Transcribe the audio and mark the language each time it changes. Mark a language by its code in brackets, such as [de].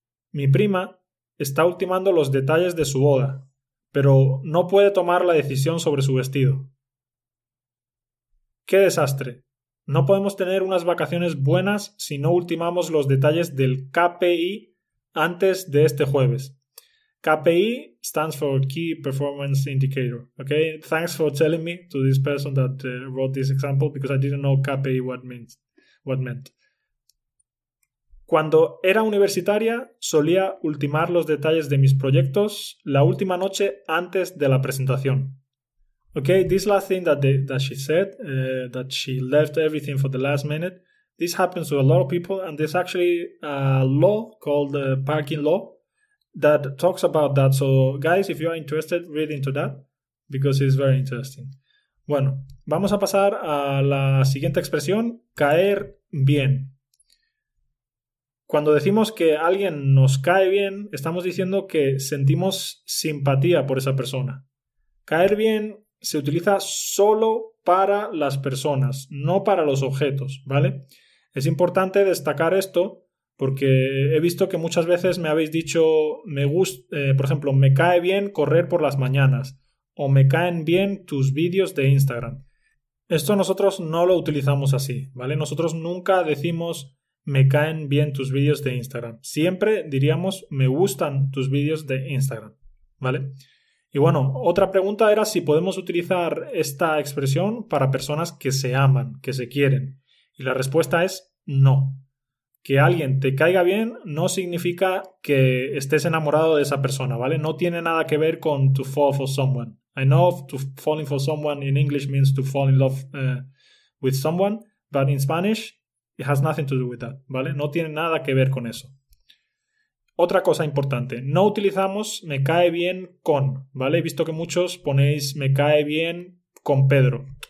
[es] Mi prima está ultimando los detalles de su boda, pero no puede tomar la decisión sobre su vestido. ¡Qué desastre! No podemos tener unas vacaciones buenas si no ultimamos los detalles del KPI antes de este jueves. [en] KPI stands for Key Performance Indicator. Okay, thanks for telling me to this person that wrote this example because I didn't know KPI what meant. Cuando era universitaria, solía ultimar los detalles de mis proyectos la última noche antes de la presentación. Okay, this last thing that she said, that she left everything for the last minute, this happens to a lot of people, and there's actually a law called the parking law that talks about that. So, guys, if you are interested, read into that, because it's very interesting. [es] Bueno, vamos a pasar a la siguiente expresión, caer bien. Cuando decimos que alguien nos cae bien, estamos diciendo que sentimos simpatía por esa persona. Caer bien se utiliza solo para las personas, no para los objetos, ¿vale? Es importante destacar esto porque he visto que muchas veces me habéis dicho, por ejemplo, me cae bien correr por las mañanas o me caen bien tus vídeos de Instagram. Esto nosotros no lo utilizamos así, ¿vale? Nosotros nunca decimos me caen bien tus vídeos de Instagram. Siempre diríamos me gustan tus vídeos de Instagram, ¿vale? Y bueno, otra pregunta era si podemos utilizar esta expresión para personas que se aman, que se quieren. Y la respuesta es no. Que alguien te caiga bien no significa que estés enamorado de esa persona, ¿vale? No tiene nada que ver con to fall for someone. [en] I know to falling for someone in English means to fall in love with someone, but in Spanish it has nothing to do with that, ¿vale? [es] No tiene nada que ver con eso. Otra cosa importante, no utilizamos me cae bien con, ¿vale? He visto que muchos ponéis me cae bien con Pedro.